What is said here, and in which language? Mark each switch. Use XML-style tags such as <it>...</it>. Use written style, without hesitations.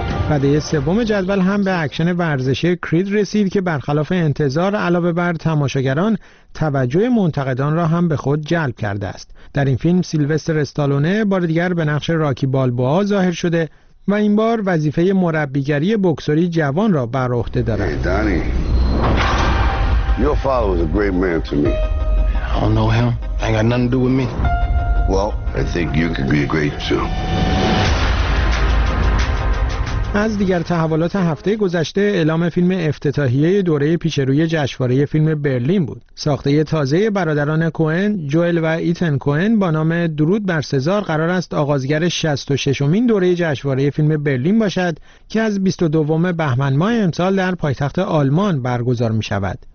<fa>رده سوم جدول هم به اکشن ورزشی کرید رسید که برخلاف انتظار علاوه بر تماشاگران، توجه منتقدان را هم به خود جلب کرده است. در این فیلم سیلوستر استالونه بار دیگر به نقش راکی بالبوا ظاهر شده و این بار وظیفه مربیگری بکسوری جوان را بر عهده دارد.</fa> <en>Hey, Donnie. Your father was a great man to me. I don't know him. Ain't got nothing to do with me. Well, I think you could be great too.</en> <fa>از دیگر تحولات هفته گذشته، اعلام فیلم افتتاحیه دوره پیشروی جشنواره فیلم برلین بود. ساخته تازه برادران کوئن، جوئل و ایتن کوئن با نام درود بر سزار قرار است آغازگر 66مین دوره جشنواره فیلم برلین باشد که از 22 بهمن ماه امسال در پایتخت آلمان برگزار می‌شود.</fa>